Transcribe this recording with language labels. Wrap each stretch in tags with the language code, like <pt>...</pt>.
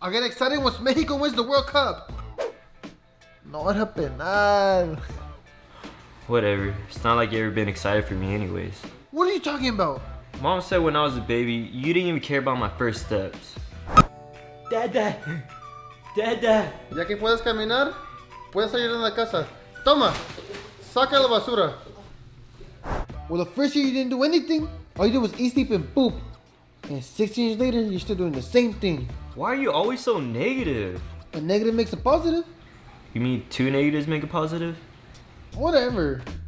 <en>I get excited once Mexico wins the World Cup.</en> <es>No penal.</es> <en>Whatever. It's not like you've ever been excited for me anyways. What are you talking about? Mom said when I was a baby, you didn't even care about my first steps. Dad. Dada.</en> <es>Ya que puedes caminar, puedes ayudar en la casa. Toma, saca la basura.</es> <en>Well, the first year you didn't do anything. All you did was eat, sleep, and poop. And 16 years later, you're still doing the same thing. Why are you always so negative? A negative makes a positive. You mean two negatives make a positive? Whatever.</en>